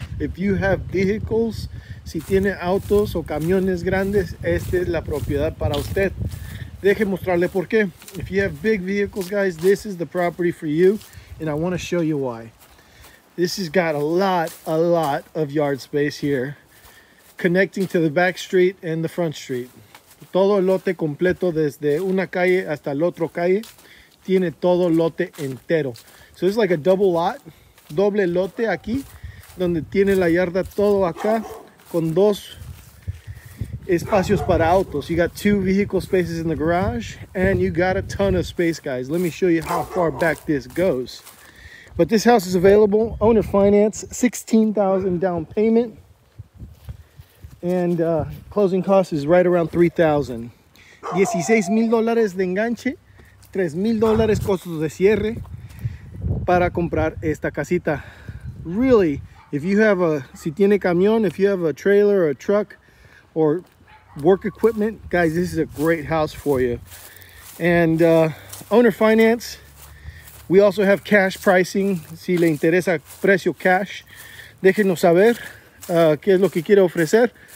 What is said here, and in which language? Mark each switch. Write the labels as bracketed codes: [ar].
[en] If you have vehicles, [es] si tiene autos o camiones grandes, esta es la propiedad para usted. Deje mostrarle por qué. [en] If you have big vehicles, guys, this is the property for you, and I want to show you why. This has got a lot of yard space here, connecting to the back street and the front street. [es] Todo lote completo, desde una calle hasta el otro calle, tiene todo lote entero. [en] So it's like a double lot, [es] doble lote aquí, donde tiene la yarda todo acá, con dos espacios para autos. [en] You got 2 vehicle spaces in the garage, and you got a ton of space, guys. Let me show you how far back this goes. But this house is available, owner finance, $16,000 down payment. And closing cost is right around $3,000. [es] $16,000 de enganche, $3,000 costos de cierre para comprar esta casita. [en] Really, if you have a, [es] si tiene camión, [en] if you have a trailer or a truck or work equipment, guys, this is a great house for you. And owner finance, we also have cash pricing. [es] Si le interesa precio cash, déjenos saber qué es lo que quiere ofrecer.